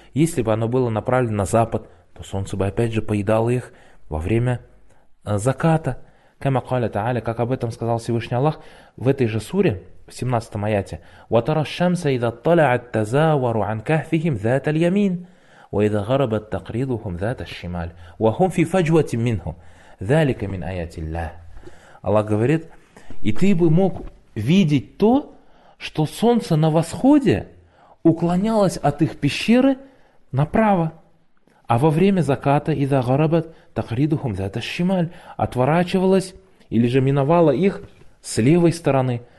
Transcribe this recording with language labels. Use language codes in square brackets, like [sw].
[ru] Если бы оно было направлено на запад, то солнце бы опять же поедало их во время заката. [ar] كَمَا قَالَ تَعَالَى. [ru] Как об этом сказал Всевышний Аллах в этой же суре, в 17 аяте. [ar] وَتَرَى الشَّمْسَ إِذَا طَلَعَتْ تَزَاوَرُ عَنْ كَهْفِهِمْ ذَاتَ الْيَمِينِ وإذا غربت تقرضهم ذات الشمال وهم في فجوة منه ذلك من آيات الله. [ru] Аллах говорит, и ты бы мог видеть то, что солнце на восходе уклонялось от их пещеры направо, а во время заката и загоробот [ar] тахридухум зата шималь [ru] отворачивалось или же миновало их с левой стороны.